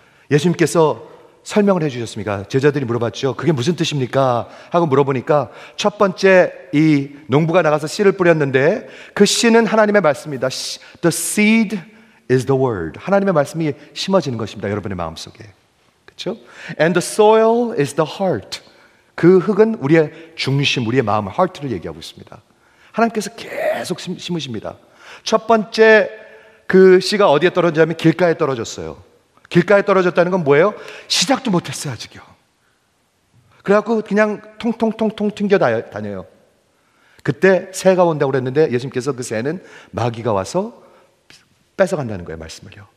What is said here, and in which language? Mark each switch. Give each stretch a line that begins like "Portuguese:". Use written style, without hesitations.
Korean: 예수님께서 설명을 해주셨습니까? 제자들이 물어봤죠. 그게 무슨 뜻입니까? 하고 물어보니까 첫 번째 이 농부가 나가서 씨를 뿌렸는데 그 씨는 하나님의 말씀입니다.
English: The seed is the word.
Korean: 하나님의 말씀이 심어지는 것입니다. 여러분의 마음속에.
English: And the soil is the heart.
Korean: 그 흙은 우리의 중심, 우리의 마음, heart를 얘기하고 있습니다. 하나님께서 계속 심으십니다. 첫 번째 그 씨가 어디에 떨어졌냐면 길가에 떨어졌어요. 길가에 떨어졌다는 건 뭐예요? 시작도 못했어요, 아직요. 그래갖고 그냥 통통통통 튕겨 다녀요. 그때 새가 온다고 그랬는데 예수님께서 그 새는 마귀가 와서 뺏어간다는 거예요, 말씀을요.